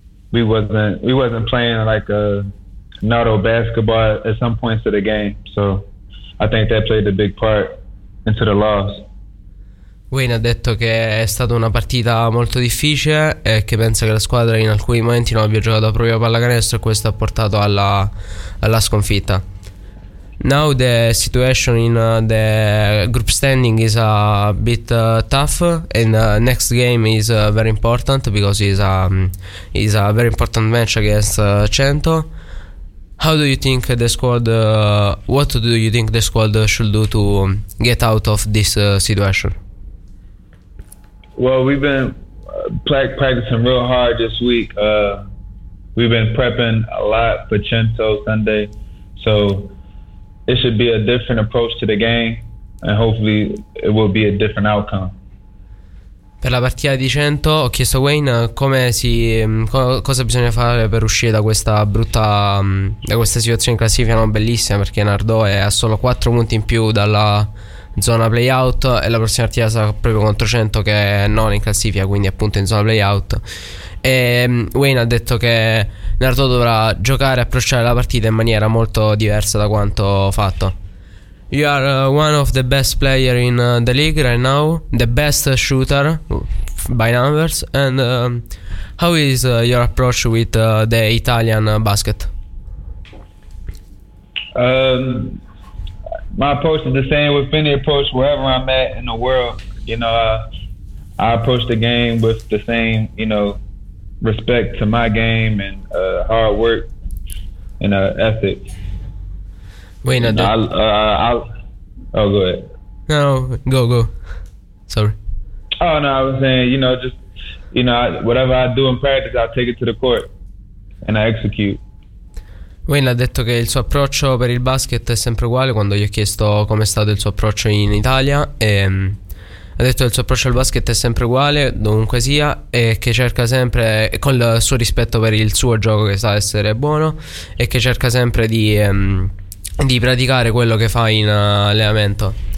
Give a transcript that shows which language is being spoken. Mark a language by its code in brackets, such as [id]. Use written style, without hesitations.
[en] We wasn't playing like a Nardò basketball at some points of the game, so I think that played a big part into the loss. [it] Wayne ha detto che è stata una partita molto difficile e che pensa che la squadra in alcuni momenti non abbia giocato proprio a pallacanestro e questo ha portato alla sconfitta. [en] Now the situation in the group standing is a bit tough, and next game is very important because it's a very important match against Cento. How do you think the squad? What do you think the squad should do to get out of this situation? Well, we've been practicing real hard this week. We've been prepping a lot for Cento Sunday, so it should be a different approach to the game. and hopefully it will be a different outcome. [it] Per la partita di 100 ho chiesto a Wayne come si cosa bisogna fare per uscire da questa brutta da questa situazione in classifica non bellissima, perché Nardò è a solo 4 punti in più dalla zona playout e la prossima partita sarà proprio contro 100 che è non in classifica, quindi appunto in zona playout. E Wayne ha detto che Nardò dovrà giocare e approcciare la partita in maniera molto diversa da quanto fatto. [en] You are one of the best player in the league right now, the best shooter by numbers, and how is your approach with the Italian basket? My approach is the same with any approach wherever I'm at in the world. You know, I approach the game with the same, you know, respect to my game and hard work and ethic. Wait, no, I'll go ahead. No, go. Sorry. Oh, no, I was saying, you know, just, you know, whatever I do in practice, I take it to the court and I execute. [it] Wayne ha detto che il suo approccio per il basket è sempre uguale. Quando gli ho chiesto come è stato il suo approccio in Italia, e, ha detto che il suo approccio al basket è sempre uguale dovunque sia, e che cerca sempre, con il suo rispetto per il suo gioco che sa essere buono, e che cerca sempre di praticare quello che fa in allenamento.